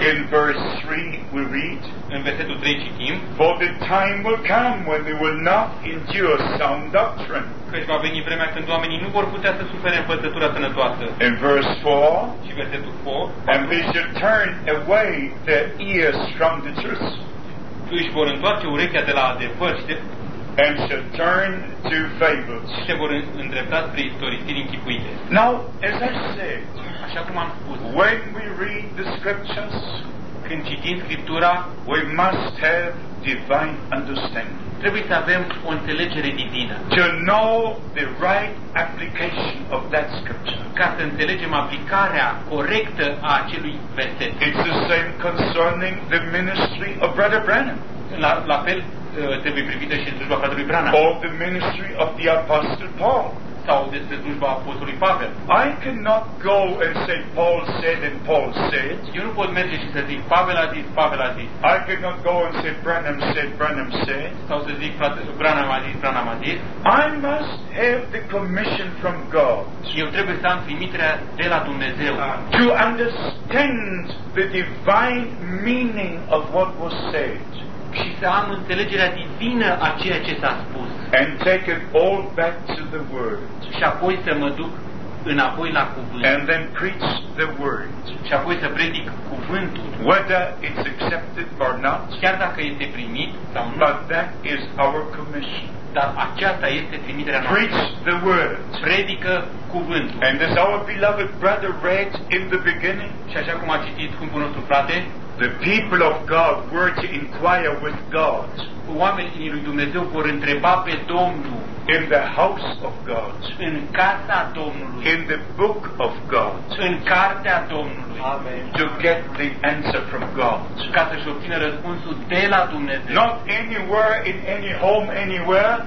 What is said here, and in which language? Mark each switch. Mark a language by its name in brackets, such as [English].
[English] In verse 3 we read. [Romanian] În versetul 3 citim. [English] For the time will come when they will not endure sound doctrine. [Romanian] Căci va veni vremea când oamenii nu vor putea să sufere învățătura sănătoasă. [English] In verse 4. [Romanian] Și versetul 4. [English] And they shall turn away their ears from the truth. [Romanian] Și își vor întoarce urechea de la adevăr și de... [English] And shall turn to fables. [Romanian] Se vor îndrepta spre istoristiri închipuite. [English] Now, as I said, [Romanian] așa cum am spus, [English] when we read the scriptures, [Romanian] când citim Scriptura, [English] we must have divine understanding. [Romanian] Trebuie să avem o înțelegere divină. [English] To know the right application of that scripture. [Romanian] Ca să înțelegem aplicarea corectă a acelui verset. [English] It's the same concerning the ministry of Brother Branham. [Romanian] La fel trebuie privită și slujba fratelui Branham. [English] Or the ministry of the Apostle Paul. [Romanian] Sau despre slujba apostolului Pavel. [English] I cannot go and say Paul said and Paul said. [Romanian] Eu nu pot merge și să zic Pavel a zis, Pavel a zis. [English] I cannot go and say Branham said, Branham said. [Romanian] Sau să zic fratele Branham a zis, Branham a zis. [English] I must have the commission from God. [Romanian] Eu trebuie să am trimiterea de la Dumnezeu. [English] To understand the divine meaning of what was said. [Romanian] Și să am înțelegerea divină a ceea ce s-a spus. [English] And take it all back to the word. [Romanian] Și apoi să mă duc înapoi la cuvânt. [English] And then preach the word. [Romanian] Și apoi să predic cuvântul. [English] Whether it's accepted or not. [Romanian] Chiar dacă este primit sau nu. [English] But that is our commission. [Romanian] Dar aceasta este trimiterea noastră. [English] Preach the word. [Romanian] Predică cuvântul. [English] And as our beloved brother read in the beginning. [Romanian] Și așa cum a citit scumpul nostru frate. [English] The people of God were to inquire with God. [Romanian] Oamenii lui Dumnezeu vor întreba pe Domnul. [English] In the house of God. [Romanian] În casa Domnului. [English] In the book of God. [Romanian] În cartea Domnului. [English] Amen. To get the answer from God. [Romanian] Ca să-și obțină răspunsul de la Dumnezeu. [English] Not anywhere, in any home, anywhere.